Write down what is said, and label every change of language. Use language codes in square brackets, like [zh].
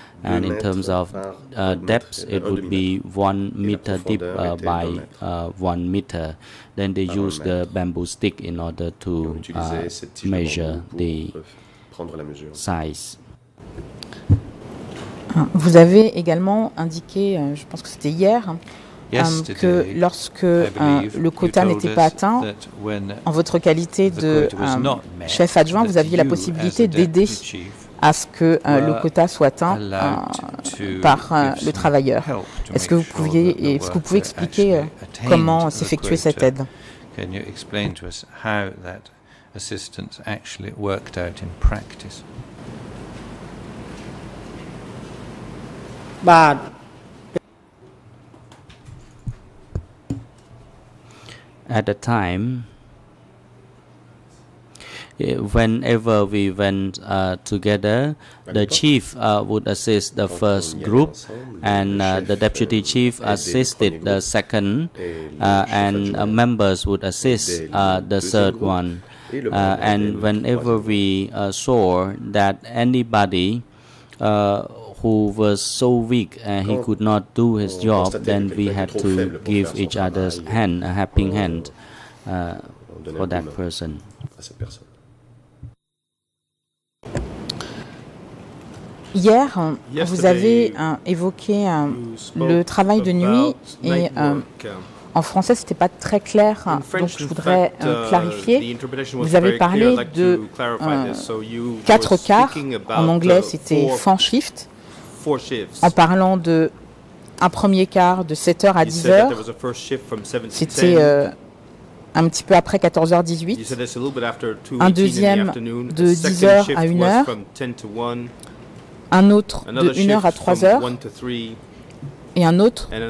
[en] And in terms of depth, it would be 1 meter deep by 1 meter. Then they use the bamboo stick in order to measure the size. [fr] Vous avez également indiqué, je pense que c'était hier, que lorsque le quota n'était pas atteint, en votre qualité de chef adjoint, vous aviez la possibilité d'aider à ce que le quota soit atteint par le travailleur. Est-ce que vous pouviez, expliquer comment s'effectuait cette aide? [en] Can you explain to us how that assistance actually worked out in practice? But at the time, Whenever we went together, the chief would assist the first group, and the deputy chief assisted the second, and members would assist the third one. And whenever we saw that anybody who was so weak he could not do his job, then we had to give each other's hand, a helping hand for that person. [fr] Hier, vous avez évoqué le travail de nuit et en français, ce n'était pas très clair, donc je voudrais clarifier. Vous avez parlé de quatre quarts, en anglais c'était [en] four shift, [fr] en parlant de un premier quart de 7h à 10h, c'était un petit peu après 14h18, un deuxième de 10h à 1h, un autre de 1h à 3h, et un autre